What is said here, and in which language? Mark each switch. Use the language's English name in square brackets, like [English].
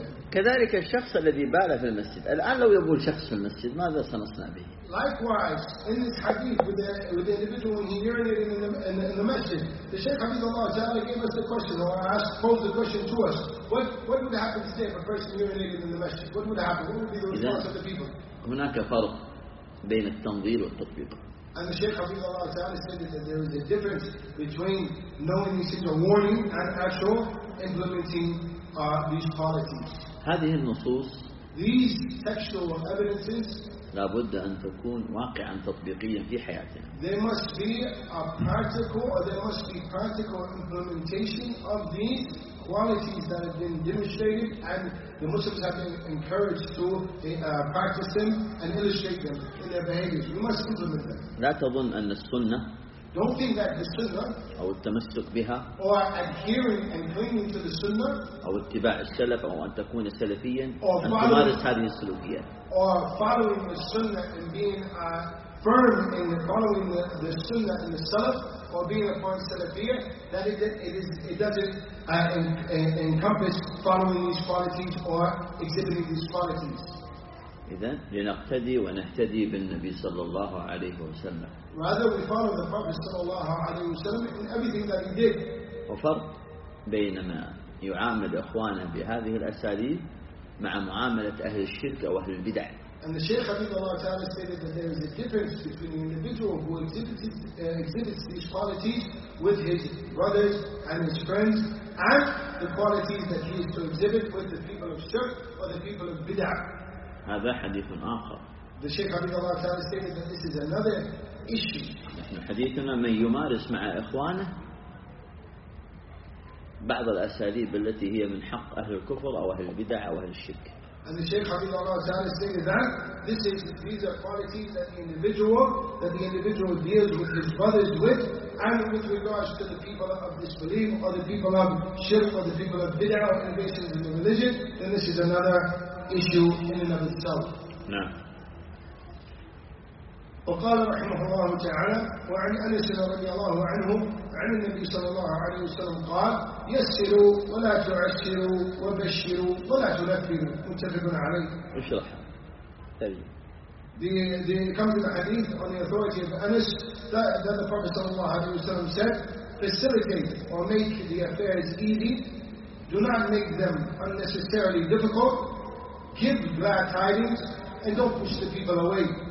[Arabic] كذلك الشخص الذي بال في المسجد. الآن لو يبول شخص في المسجد ماذا سنصنع به؟ [English] Likewise, in this hadith with the individual when he urinated in the masjid, the Shaykh Habib Allah Ta'ala gave us the question or posed the question to us. What would happen today if a person urinated in the masjid? What would happen? What would be the response of the people? [Arabic] هناك فرق بين التنظير والتطبيق. [English] And the Shaykh Habib Allah Ta'ala said that there is a difference between knowing this is a warning and actual implementing these policies. [Arabic] هذه النصوص, [English] these textual evidences, [Arabic] لابد أن تكون واقعا تطبيقيا في حياتنا. [English] There must be a practical, or there must be practical implementation of these qualities that have been demonstrated, and the Muslims have been encouraged to practice them and illustrate them in their behaviors. We must implement them. [Arabic] لا تظن أن السنة, [English] don't think that the sunnah, [Arabic] أو التمسك بها, [English] or adhering and clinging to the sunnah, [Arabic] أو اتباع السلف, أو أن تكون سلفيا, or تمارس هذه السلوكيات, [English] or following the sunnah and being firm in following the sunnah and the salaf, or being upon salafia, that it doesn't encompass following these qualities or exhibiting these qualities. [Arabic] إذن لنقتدي ونهتدي بالنبي صلى الله عليه وسلم. [English] Rather we follow the Prophet صلى الله عليه وسلم in everything that he did. [Arabic] وفرق بين ما يعامل إخوانه بهذه الأساليب مع معاملة أهل الشرك وأهل البدع. [English] And the Shaykh Habib Allah Ta'ala stated that there is a difference between the individual who exhibits these qualities with his brothers and his friends, and the qualities that he is to exhibit with the people of shirk or the people of bid'ah. [Arabic] هذا حديث آخر. [English] The Shaykh Habib Allah Ta'ala stated that this is another issue. [Arabic] حديثنا من يمارس مع إخوانه بعض الأساليب التي هي من حق أهل الكفر أو أهل البدع أو أهل الشرك. [English] And the Shaykh Habib Allah Ta'ala stated that this is, these are qualities that the individual deals with his brothers with, and with regards to the people of disbelief, or the people of shirk, or the people of bid'ah, or innovations in the religion, then this is another issue in and of itself. No. [Arabic] وقال رحمه الله تعالى وعن أنس رضي الله عنه عن النبي صلى الله عليه وسلم قال يسروا ولا تعسروا وبشروا ولا تنفروا متفق عليه. اشرح. [English] The coming hadith on the authority of Anas that the Prophet صلى الله عليه وسلم said, facilitate or make the affairs easy, do not make them unnecessarily difficult, give glad tidings, and don't push the people away.